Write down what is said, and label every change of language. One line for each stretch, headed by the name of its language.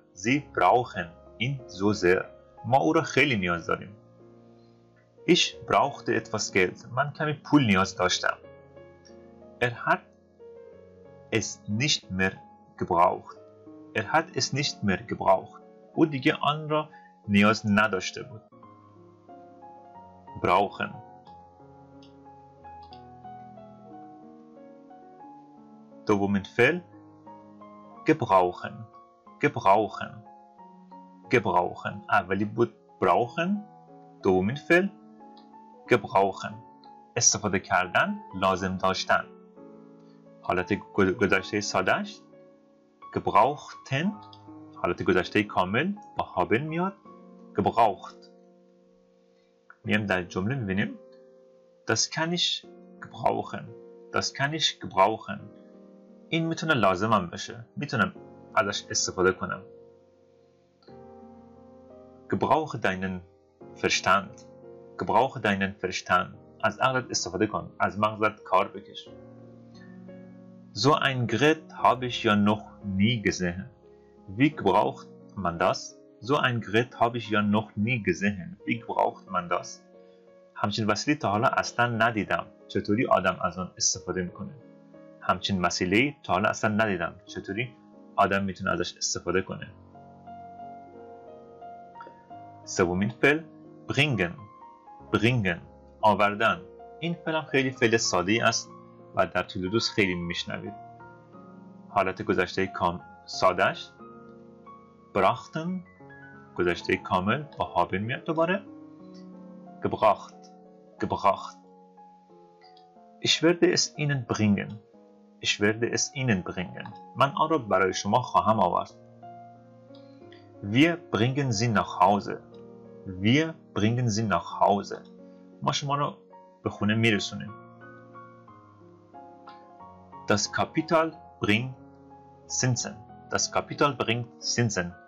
German: sie brauchen ihn so sehr.
Persian: ما او را خیلی نیاز داریم.
German: ich brauchte etwas geld.
Persian: من کمی پول نیاز داشتم.
German: hat es nicht mehr gebraucht. hat es nicht mehr gebraucht.
Persian: او دیگه آن را نیاز نداشته بود. brauchen. دومین فعل gebrauchen. gebrauchen. gebrauchen. اولی بود brauchen، دومین فعل gebrauchen. استفاده کردن، لازم داشتن. حالت گذشته سادهش gebrauchten، حالت گذشته کامل با haben میاد gebraucht. میام در جمله میبینیم
German: das kann ich gebrauchen. das kann ich gebrauchen.
Persian: این میتونه لازمم بشه، میتونم ازش استفاده کنم.
German: gebrauche deinen verstand. gebrauche deinen verstand.
Persian: از عقلت استفاده کن، از مغزت کار بکش.
German: So ein Gerät habe ich ja noch nie gesehen. Wie braucht man das? So ein Gerät habe ich ja noch nie gesehen. Wie braucht man das?
Persian: همچین وسیله تا حالا اصلا ندیدم. چطوری آدم از اون استفاده میکنه؟ همچین وسیله تا حالا اصلا ندیدم. چطوری آدم میتونه ازش استفاده کنه؟ سومین فعل bringen. bringen آوردن. این فعل هم خیلی فعل ساده است و در طول روز خیلی میشنوید. حالت گذشته سادش brachten، گذشته کامل با haben میاد دوباره gebracht. gebracht.
German: ich werde es ihnen bringen. ich werde es ihnen bringen.
Persian: من آن را برای شما خواهم آورد.
German: wir bringen sie nach Hause. wir bringen sie nach Hause.
Persian: ما شما را به خونه میرسونیم.
German: Das Kapital bringt Zinsen. Das Kapital bringt Zinsen.